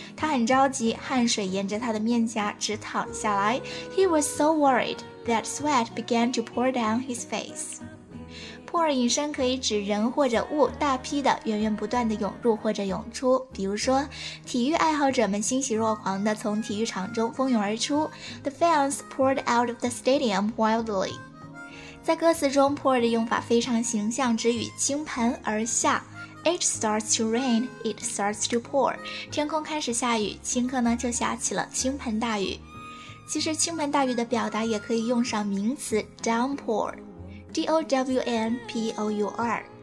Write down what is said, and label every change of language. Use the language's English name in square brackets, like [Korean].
[Chinese] 他很着急，汗水沿着他的面颊直淌下来。 [English] He was so worried that sweat began to pour down his face. [Chinese] Pour 引申可以指人或者物大批的源源不断的涌入或者涌出。比如说，体育爱好者们欣喜若狂的从体育场中蜂拥而出。 [English] The fans poured out of the stadium wildly. [Chinese] 在歌词中 pour 的用法非常形象，指雨倾盆而下。 [English] It starts to rain, it starts to pour. [Chinese] 天空开始下雨，顷刻呢就下起了倾盆大雨。其实倾盆大雨的表达也可以用上名词 downpour, D-O-W-N-P-O-U-R。